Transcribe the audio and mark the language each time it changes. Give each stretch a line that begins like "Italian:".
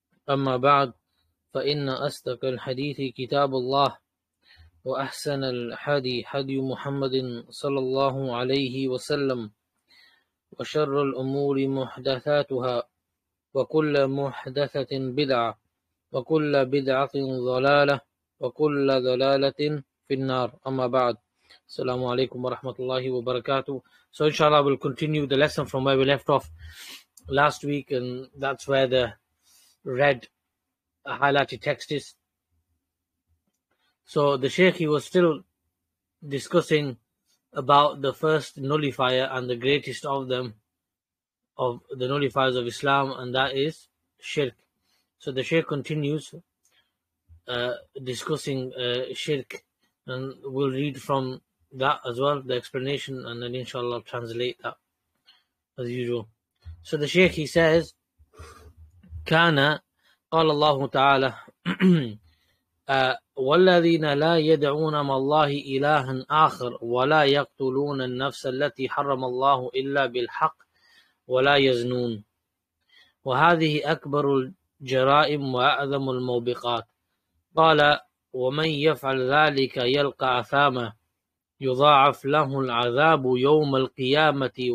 Arabic: أما بعد فإن أصدق الحديث كتاب الله وأحسن الهدي هدي محمد صلى الله عليه وسلم وشر الأمور محدثاتها وكل محدثة بدعة وكل بدعة ضلالة وكل ضلالة في النار أما بعد السلام عليكم ورحمة الله وبركاته.
English: So inshallah we'll continue the lesson from where we left off last week, and that's where the red highlighted text is. So the Shaykh, he was still discussing about the first nullifier and the greatest of them, of the nullifiers of Islam, and that is shirk. So the Shaykh continues discussing shirk, and we'll read from that as well, the explanation, and then inshallah translate that as usual. So the Shaykh, he says,
Arabic: كان قال الله تعالى والذين لا يدعون مع الله إلها آخر ولا يقتلون النفس التي حرم الله إلا بالحق ولا يزنون وهذه أكبر الجرائم وأعظم الموبقات قال ومن يفعل ذلك يلقى أثاما يضاعف له العذاب يوم القيامة